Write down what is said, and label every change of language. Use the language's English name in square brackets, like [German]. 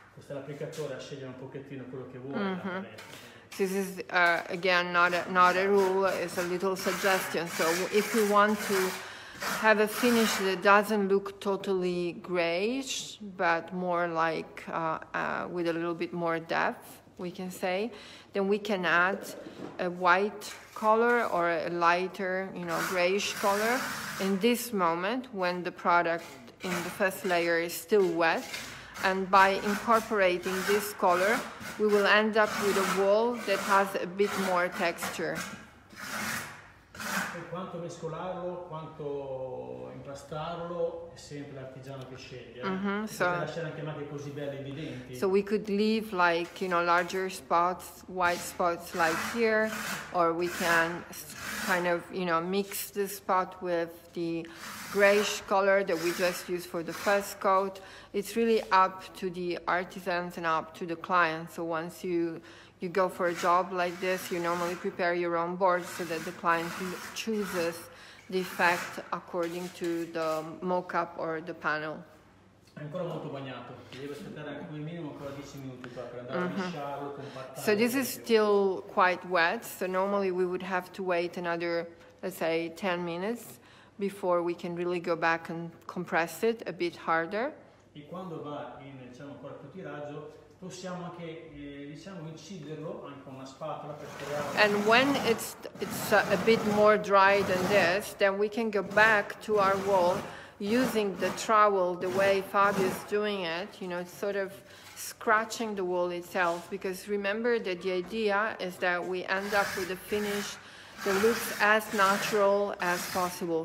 [Italian] L'applicatore a scegliere un pochettino quello che vuole. Mm-hmm. [English] This is again not a rule, it's a little suggestion. So if you want to have a finish that doesn't look totally grayish, but more like with a little bit more depth, we can say, then we can add a white color or a lighter, you know, grayish color. In this moment, when the product in the first layer is still wet. And by incorporating this color, we will end up with a wall that has a bit more texture. [Italian] E quanto mescolarlo, quanto impastarlo, è sempre l'artigiano che sceglie. Mm-hmm. So, lasciare anche macchie così belle e evidenti. [English] So we could leave like, you know, larger spots, white spots like here, or we can kind of, you know, mix the spot with the grayish color that we just used for the first coat. It's really up to the artisans and up to the client. So once you go for a job like this, you normally prepare your own board so that the client chooses the effect according to the mock-up or the panel. [Italian] È ancora molto bagnato. Devo aspettare come minimo ancora 10 minuti per andare a lisciarlo, compattarlo. [English] So this is still quite wet. So normally we would have to wait another let's say 10 minutes before we can really go back and compress it a bit harder. [Italian] E quando va in, diciamo, corpo tiraggio, possiamo anche, diciamo, inciderlo anche una spatola per creare. [English] And when it's a bit more dry than this, then we can go back to our wall using the trowel the way Fabio is doing it, you know, sort of scratching the wall itself, because remember that the idea is that we end up with a finish that looks as natural as possible.